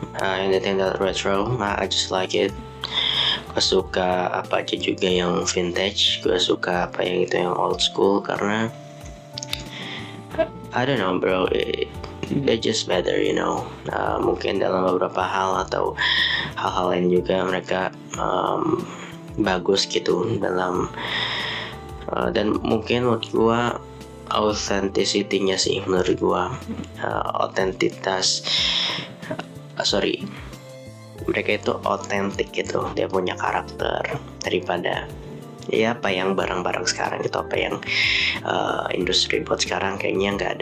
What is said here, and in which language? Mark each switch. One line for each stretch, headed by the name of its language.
English: Anything that retro, I just like it.
Indonesian: Gue suka apa aja juga yang vintage. Gue suka apa yang itu yang old school. Karena
English: I don't know bro, they just better, you know.
Indonesian: Mungkin dalam beberapa hal atau hal-hal lain juga mereka bagus gitu dalam dan mungkin menurut gue authenticity-nya sih, menurut gue otentitas, sorry, mereka itu otentik gitu, dia punya karakter daripada ya apa yang barang-barang sekarang gitu, apa yang industri buat sekarang kayaknya